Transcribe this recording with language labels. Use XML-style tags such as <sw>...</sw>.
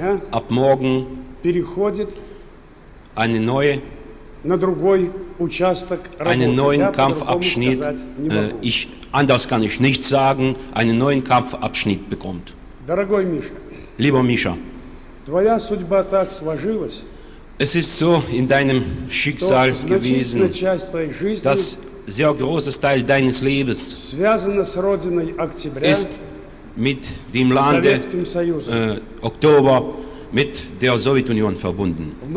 <de>ab morgen einen neuen Kampfabschnitt bekommt. Lieber Mischa,</de> <ru>твоя судьба так сложилась.</ru> <de>Es ist so in deinem Schicksal gewesen, dass sehr großes Teil deines Lebens ist mit dem Lande Oktober, mit der Sowjetunion verbunden.</de>